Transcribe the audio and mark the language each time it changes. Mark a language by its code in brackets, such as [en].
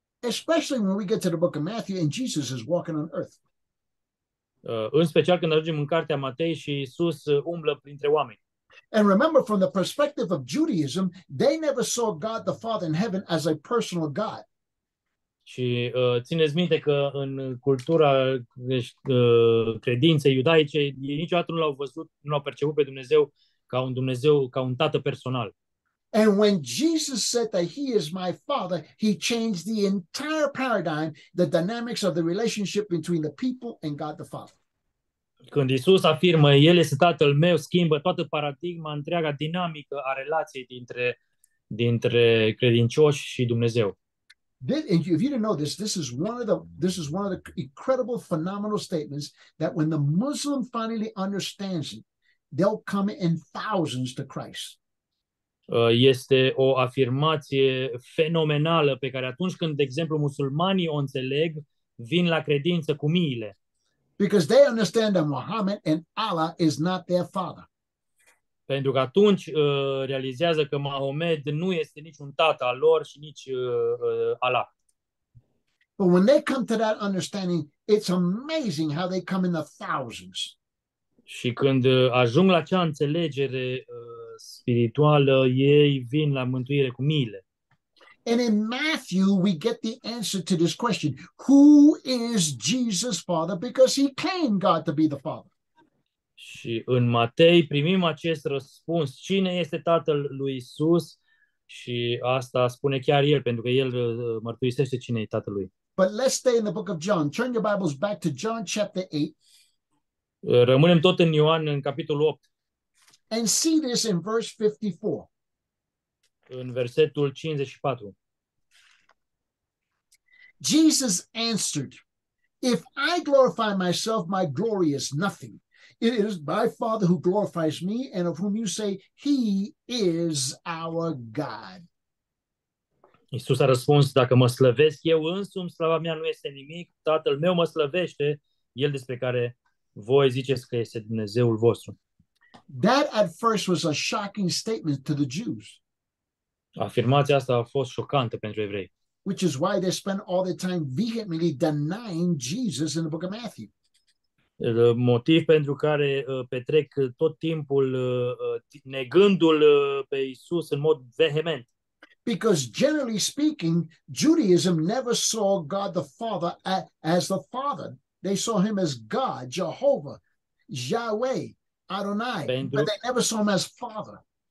[en] Especially when we get to the book of Matthew and Jesus is walking on earth. [ro] În special când ajungem în cartea Matei și Iisus umblă printre oameni. [en] And remember, from the perspective of Judaism, they never saw God the Father in heaven as a personal God. [ro] Și țineți minte că în cultura credinței iudaice, ei niciodată nu l-au văzut, nu l-au perceput pe Dumnezeu ca un Dumnezeu, ca un tată personal. [en] And when Jesus said that he is my father, he changed the entire paradigm, the dynamics of the relationship between the people and God the Father. [ro] Când Iisus afirmă, El este Tatăl meu, schimbă toată paradigma, întreaga dinamică a relației dintre credincioși și Dumnezeu. [en] And if you didn't know this, this is one of the incredible, phenomenal statements that when the Muslim finally understands it, they'll come in thousands to Christ. [ro] Este o afirmație fenomenală pe care atunci când, de exemplu, musulmanii o înțeleg, vin la credință cu miile. [en] Because they understand that Muhammad and Allah is not their father. [ro] Pentru că atunci realizează că Mahomed nu este nici un tată al lor și nici Allah. [en] But when they come to that understanding, it's amazing how they come in the thousands. [ro] Și când ajung la acea înțelegere spirituală, ei vin la mântuire cu miile. [en] And in Matthew, we get the answer to this question. Who is Jesus' father? Because he claimed God to be the father. [ro] Și în Matei primim acest răspuns. Cine este tatăl lui Iisus? Și asta spune chiar el, pentru că el mărturisește cine e tatăl lui. [en] But let's stay in the book of John. Turn your Bibles back to John chapter 8. [ro] Rămânem tot în Ioan, în capitolul 8. [en] And see this in verse 54. [ro] În versetul 54. [en] Jesus answered, "If I glorify myself, my glory is nothing. It is my Father who glorifies me, and of whom you say, he is our God." [ro] Iisus a răspuns, dacă mă slăvesc eu însumi, slava mea nu este nimic, Tatăl meu mă slăvește, El despre care voi ziceți că este Dumnezeul vostru. [en] That at first was a shocking statement to the Jews. [ro] Afirmația asta a fost șocantă pentru evrei. [en] Which is why they spend all their time vehemently denying Jesus in the book of Matthew. [ro] Motiv pentru care petrec tot timpul negându-l pe Iisus în mod vehement. [en] Because generally speaking, Judaism never saw God the Father as the Father. They saw him as God, Jehovah, Yahweh, Adonai, [ro] pentru, [en] but they never saw him as Father.